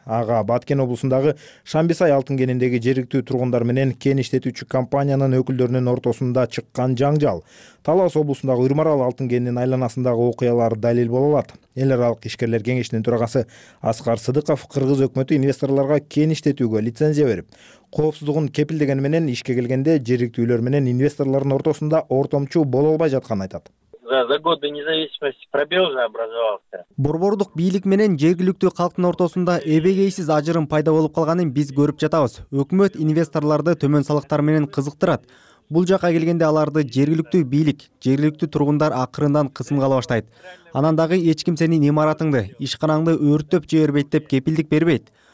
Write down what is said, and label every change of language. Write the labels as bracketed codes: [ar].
[ky] Ага Баткен облусундагы Шамбисай алтын кенидеги жергиликтүү тургундар менен кен иштетүүчү компаниянын өкүлдөрүнүн ортосунда чыккан жаңжал, Талас облусундагы Ырмарал алтын кенинин айланасындагы окуялар далил боло алат. Эл аралык ишкерлер кеңешинин төрагасы Аскар Сыдыков кыргыз өкмөтү инвесторлорго кен иштетүүгө лицензия берип, коопсуздугун кепилдегени менен ишке келгенде жергиликтүүлөр менен инвесторлордун ортосунда ортомчу боло албай жатканын айтат. [ru] За годы независимости пробел же образовался. [ky] Борбордук бийлик менен жергиликтүү калктын ортосунда эбегейсиз ажырым пайда болуп калганын биз көрүп жатабыз. Өкмөт инвесторлорду төмөн салыктар менен кызыктырат. Бул жака келгенде аларды жергиликтүү бийлик, жергиликтүү тургундар акырындан кысымга ала баштайт. Анан дагы эч ким сенин имаратыңды, ишканаңды өрттөп жибербейт деп кепилдик бербейт.